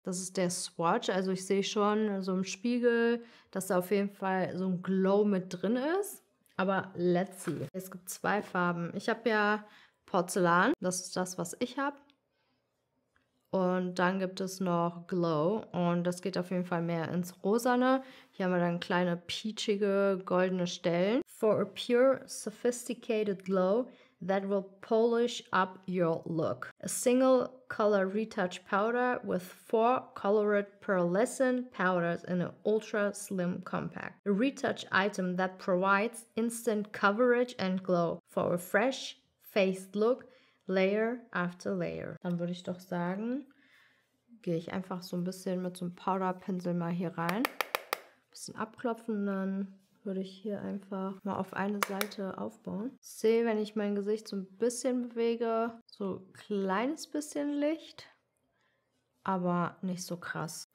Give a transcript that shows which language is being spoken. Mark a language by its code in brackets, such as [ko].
[de] Das ist der Swatch. Also ich sehe schon so im Spiegel, dass da auf jeden Fall so ein Glow mit drin ist. Aber [en] let's see. [de] Es gibt 2 Farben. Ich habe ja Porzellan. Das ist das, was ich habe. Und dann gibt es noch Glow und das geht auf jeden Fall mehr ins Rosane. Hier haben wir dann kleine peachige goldene Stellen. [en] For a pure, sophisticated glow that will polish up your look. A single color retouch powder with 4 colored pearlescent powders in an ultra slim compact. A retouch item that provides instant coverage and glow for a fresh faced look. Layer after layer. [de] Dann würde ich doch sagen, gehe ich einfach so ein bisschen mit so einem Powderpinsel mal hier rein. Ein bisschen abklopfen, dann würde ich hier einfach mal auf eine Seite aufbauen. Sehe, wenn ich mein Gesicht so ein bisschen bewege, so ein kleines bisschen Licht, aber nicht so krass.